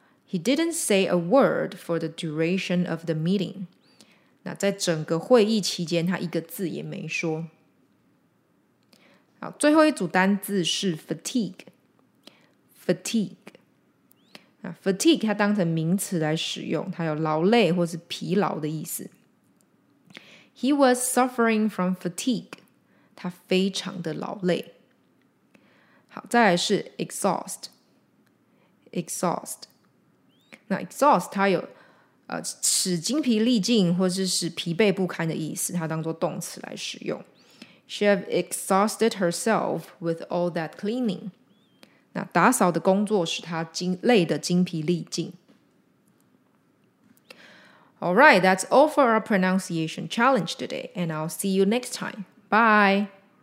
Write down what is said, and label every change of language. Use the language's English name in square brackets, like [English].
[English] He didn't say a word for the duration of the meeting. [Chinese] 那在整个会议期间他一个字也没说。好，最后一组单字是 fatigue, fatigue. 那 fatigue 它当成名词来使用，它有劳累或是疲劳的意思。 [English] He was suffering from fatigue. [Chinese] 他非常的劳累。好，再来是 exhaust, exhaust. 那 exhaust 它有使精疲力尽或是使疲惫不堪的意思，它当作动词来使用。 [English] She have exhausted herself with all that cleaning. [Chinese] 那打扫的工作使她累得精疲力尽。 [English] Alright, that's all for our pronunciation challenge today, and I'll see you next time. Bye!